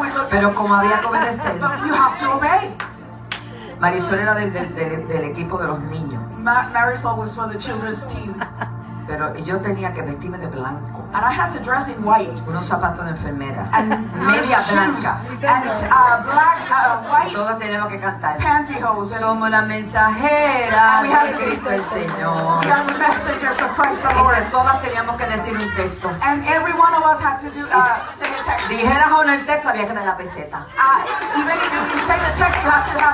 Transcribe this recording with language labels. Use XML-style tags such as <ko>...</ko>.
<es>Pero como había que obedecer.</es> <en>You have to obey.</en> <es>Marisol era del equipo de los niños.</es> <en>Marisol was for the children's team.</en> <es>Pero yo tenía que vestirme de blanco.</es> <en>And I had to dress in white.</en> <es>Unos zapatos de enfermera.</es> <en>And</en> <es>media blanca.</es> <en>Black, white.</en> <es>Todos tenemos que cantar.</es> <en>Pantyhose.</en> <es>Somos la mensajera de Cristo el Señor.</es> <en>We are the messengers of Christ the Lord.</en> <es>Todas teníamos que decir un texto.</es> <en>And every one of us had to do sing a text.</en> <es>Dijeras o no el texto, había que tener la peseta.</es> <en>Even if you can say the text, you have to have.</en>